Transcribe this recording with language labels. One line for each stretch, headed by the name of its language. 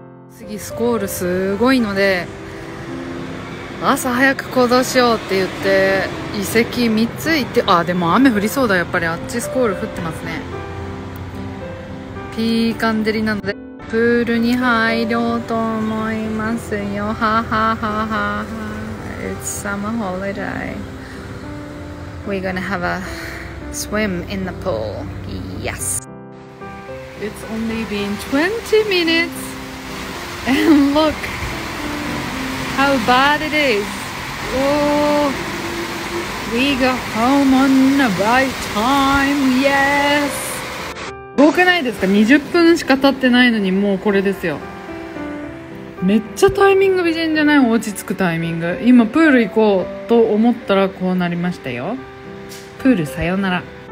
Japanese: 次スコールすごいので朝早く行動しようって言って遺跡3つ行って、あでも雨降りそうだ、やっぱりあっちスコール降ってますね。ピーカンデリなのでプールに入ろうと思いますよ。
English: はははは。It's summer holiday. We're gonna have a swim in the pool. Yes. It's only been 20 minutes and lookHow bad it is! Oh, we got home on the right time! Yes!
Japanese: すごくないですか ?20 分しか経ってないのにもうこれですよ。めっちゃタイミング美人じゃない？落ち着くタイミング。今プール行こうと思ったらこうなりましたよ。プールさよなら。